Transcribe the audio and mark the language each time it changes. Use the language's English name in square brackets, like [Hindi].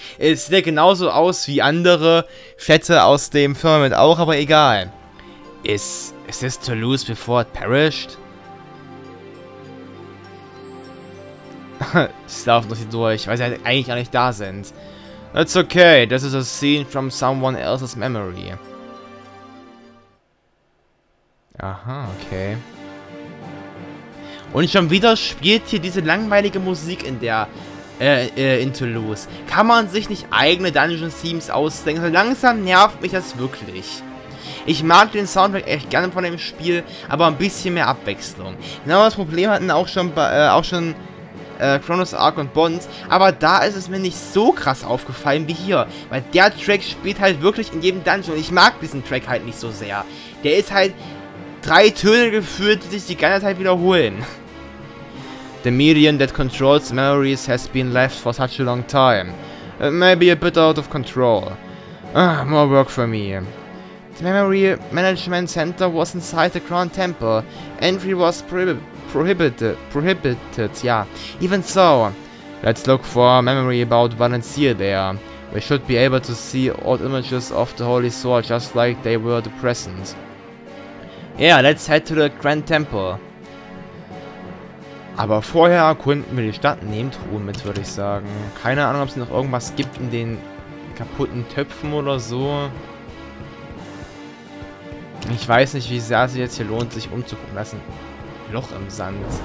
[German] Es sieht ja genauso aus wie andere Fette aus dem Firmament auch, aber egal. [English] Is this Toulouse before it perished? [German] Ich laufe noch hier durch, weil sie halt eigentlich gar nicht da sind. [English] That's okay, this is a scene from someone else's memory. Aha, okay. [German] Und schon wieder spielt hier diese langweilige Musik in der in Toulouse. Kann man sich nicht eigene Dungeon-Themes ausdenken? Also langsam nervt mich das wirklich. Ich mag den Soundtrack echt gerne von dem Spiel, aber ein bisschen mehr Abwechslung. Genau das Problem hatten auch schon Chronos Arc und Bonds, aber da ist es mir nicht so krass aufgefallen wie hier, weil der Track spielt halt wirklich in jedem Dungeon und ich mag diesen Track halt nicht so sehr. Der ist halt 3 Töne geführt, die sich die ganze Zeit wiederholen. [English] The medium that controls memories has been left for such a long time. It may be a bit out of control. More work for me. The Memory Management Center was inside the Crown Temple. Entry was prohibited, yeah. Even so, let's look for a memory about Valencia there. We should be able to see old images of the Holy Sword just like they were the present. Yeah, let's head to the Grand Temple. [German] Aber vorher erkunden wir die Stadt, nehmt Ruhe mit, würde ich sagen. Keine Ahnung, ob es noch irgendwas gibt in den kaputten Töpfen oder so. Ich weiß nicht, wie sehr es sich jetzt hier lohnt, sich umzugucken. Das ist ein Loch im Sand.